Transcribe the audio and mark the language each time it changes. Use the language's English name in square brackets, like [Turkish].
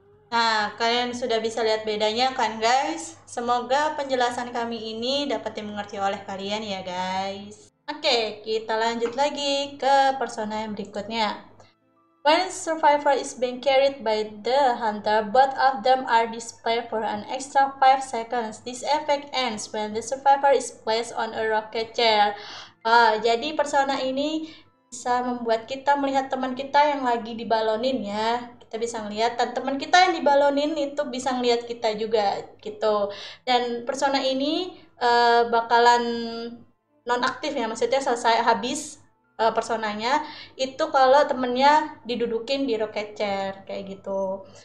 [Indonesian] Nah, kalian sudah bisa lihat bedanya kan, guys? Semoga penjelasan kami ini dapat dimengerti oleh kalian ya, guys. Oke, kita lanjut lagi ke persona yang berikutnya. [English] When survivor is being carried by the hunter, both of them are displayed for an extra 5 seconds. This effect ends when the survivor is placed on a rocket chair. [Indonesian] Jadi persona ini bisa membuat kita melihat teman kita yang lagi dibalonin ya. Kita bisa ngeliat dan teman kita yang dibalonin itu bisa ngeliat kita juga gitu. Dan persona ini bakalan nonaktif ya, maksudnya selesai habis personanya itu kalau temennya didudukin di rocket chair kayak gitu.